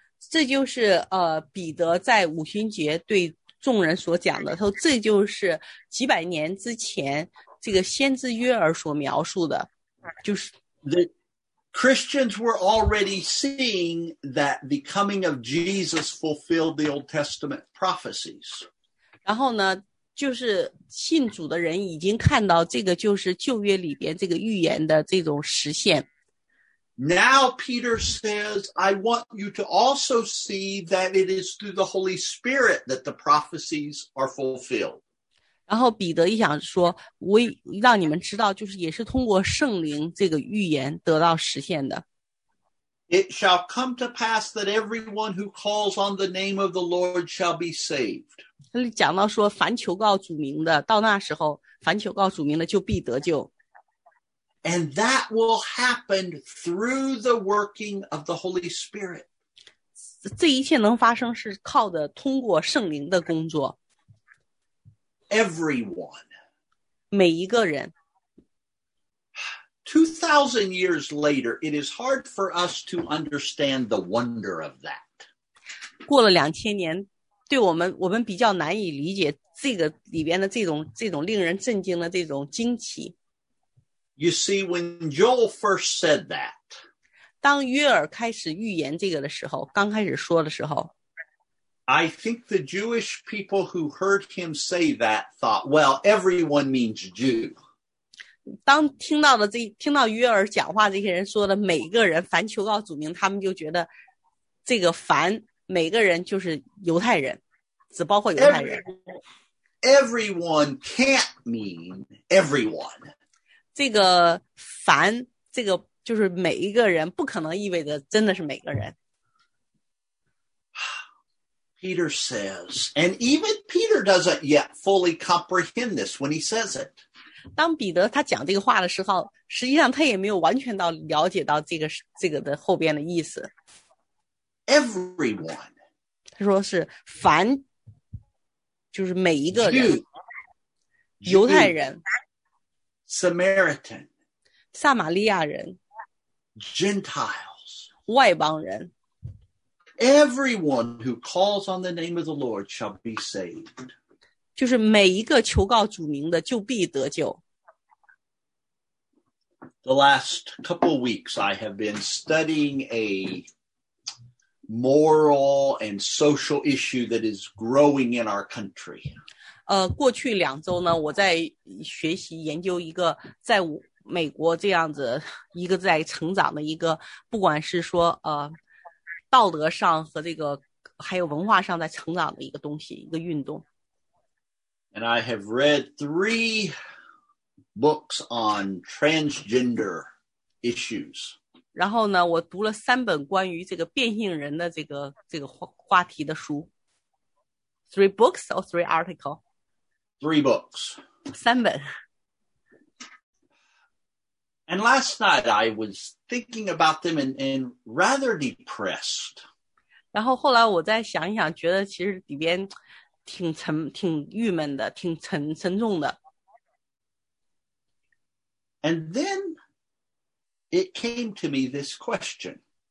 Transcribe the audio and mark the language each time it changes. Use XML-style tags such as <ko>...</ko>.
<zh>这就是彼得在五旬节对众人所讲的，他说这就是几百年之前这个先知约珥所描述的，就是。</zh> <en>The Christians were already seeing that the coming of Jesus fulfilled the Old Testament prophecies.</en> <zh>然后呢就是信主的人已经看到这个就是旧约里边这个预言的这种实现。</zh> <en>Now Peter says, I want you to also see that it is through the Holy Spirit that the prophecies are fulfilled.</en> <zh>然后彼得一想说，我让你们知道，就是也是通过圣灵这个预言得到实现的。</zh> <en>It shall come to pass that everyone who calls on the name of the Lord shall be saved.</en> <zh>他就讲到说，凡求告主名的，到那时候，凡求告主名的就必得救。</zh> <en>And that will happen through the working of the Holy Spirit.</en> <zh>这一切能发生是靠的通过圣灵的工作。</zh> <en>Everyone.</en> <zh>每一个人。</zh> <en>2,000 years later, it is hard for us to understand the wonder of that.</en> <zh>过了两千年，对我们比较难以理解这个里边的这种令人震惊的这种惊奇。</zh> <en>You see, when Joel first said that,</en> <zh>当约珥开始预言这个的时候，刚开始说的时候，</zh> <en>I think the Jewish people who heard him say that thought, well, everyone means Jew.</en> <zh>当听到约珥讲话，这些人说的每个人凡求告主名，他们就觉得这个凡每个人就是犹太人，只包括犹太人。</zh> <en>Everyone can't mean everyone.</en> <zh>这个凡这个就是每一个人，不可能意味着真的是每个人。</zh> <en>Peter says, and even Peter doesn't yet fully comprehend this when he says it.</en> <zh>当彼得他讲这个话的时候，实际上他也没有完全到了解到这个的后边的意思。</zh> <en>Everyone，</en> <zh>他说是凡，就是每一个人，</zh> <en>Jew,</en> <zh>犹太人</zh> <en>，Samaritan，</en> <zh>撒玛利亚人</zh> <en>，Gentiles，</en> <zh>外邦人</zh> <en>，Everyone who calls on the name of the Lord shall be saved。</en> <zh>就是每一个求告主名的就必得救。</zh> <en>The last couple of weeks I have been studying a moral and social issue that is growing in our country.</en> <zh>过去两周呢，我在学习研究一个在美国这样子一个在成长的一个，不管是说道德上和这个还有文化上在成长的一个东西，一个运动。</zh> <en>And I have read 3 books on transgender issues.</en> <zh>然后呢，我读了三本关于这个变性人的这个话题的书。</zh> <en>3 books or 3 articles? 3 books.</en> <zh>三本。</zh> <en>And last night I was thinking about them and rather depressed.</en> <zh>然后后来我再想一想，觉得其实里边挺郁闷的，挺沉重的。</zh> <en>And then it came to me this question.</en>